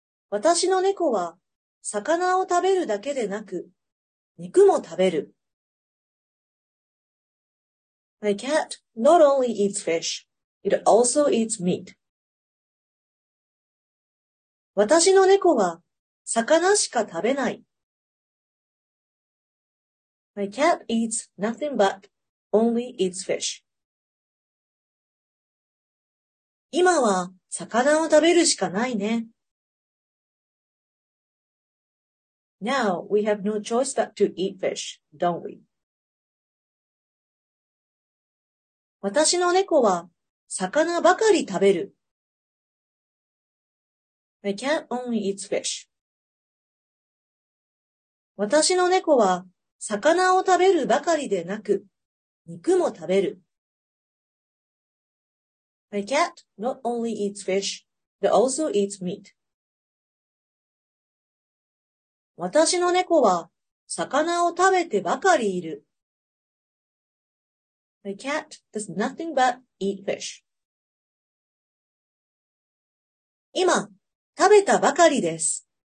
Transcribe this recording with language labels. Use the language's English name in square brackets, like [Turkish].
[Japanese] 私の猫は魚を食べるだけでなく肉も食べる。 [English] My cat not only eats fish, it also eats meat. [Japanese] 私の猫は魚しか食べない。 [English] My cat eats nothing but only eats fish. [Japanese] 今は魚を食べるしかないね。 [English] Now we have no choice but to eat fish, don't we? [Japanese] 私の猫は魚ばかり食べる。 [English] My cat only eats fish. [Japanese] 私の猫は魚を食べるばかりでなく、肉も食べる。 [English] My cat not only eats fish, but also eats meat. [Japanese] 私の猫は魚を食べてばかりいる。 [English] My cat does nothing but eat fish. [Japanese] 今食べたばかりです。